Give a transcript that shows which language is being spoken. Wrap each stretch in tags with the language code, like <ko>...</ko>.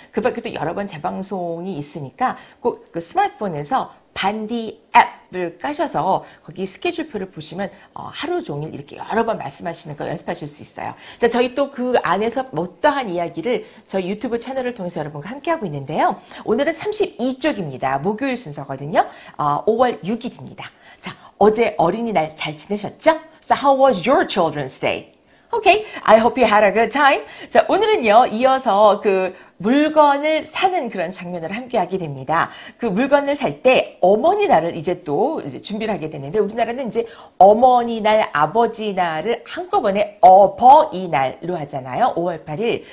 <ko>그 밖에도 여러 번 재방송이 있으니까 꼭 그 스마트폰에서 반디 앱을 까셔서 거기 스케줄표를 보시면 하루 종일 이렇게 여러 번 말씀하시는 거 연습하실 수 있어요. 자, 저희 또 그 안에서 어떠한 이야기를 저희 유튜브 채널을 통해서 여러분과 함께하고 있는데요. 오늘은 32쪽입니다. 목요일 순서거든요. 5월 6일입니다. 자, 어제 어린이날 잘 지내셨죠?</ko> <en>So how was your children's day? Okay, I hope you had a good time.</en> <ko>자, 오늘은요, 이어서 그 물건을 사는 그런 장면을 함께 하게 됩니다. 그 물건을 살 때 어머니 날을 이제 또 이제 준비를 하게 되는데, 우리나라는 이제 어머니 날, 아버지 날을 한꺼번에 어버이 날로 하잖아요. 5월 8일.</ko>